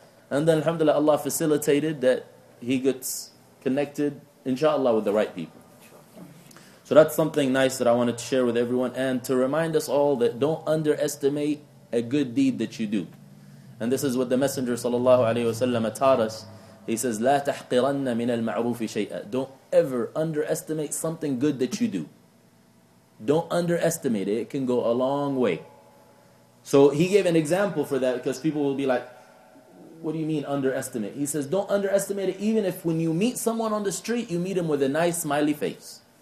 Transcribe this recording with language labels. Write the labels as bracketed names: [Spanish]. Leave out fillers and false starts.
[English] And then alhamdulillah, Allah facilitated that he gets connected, inshaAllah, with the right people. So that's something nice that I wanted to share with everyone. And to remind us all that don't underestimate a good deed that you do. And this is what the Messenger sallallahu alayhi wasallam taught us. [Arabic] He says, لَا تَحْقِرَنَّ مِنَ الْمَعْرُوفِ شَيْئًا. [English] Don't ever underestimate something good that you do. Don't underestimate it. It can go a long way. So he gave an example for that, because people will be like, what do you mean underestimate? He says, don't underestimate it, even if when you meet someone on the street, you meet them with a nice smiley face.